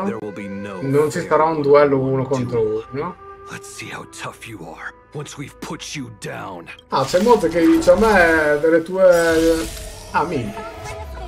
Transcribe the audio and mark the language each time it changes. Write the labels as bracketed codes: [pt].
[it] Non ci sarà un duello uno contro uno. [en] Let's see how tough you are once we've put you down. [it] Ah, c'è molto che dice a me delle tue amiche.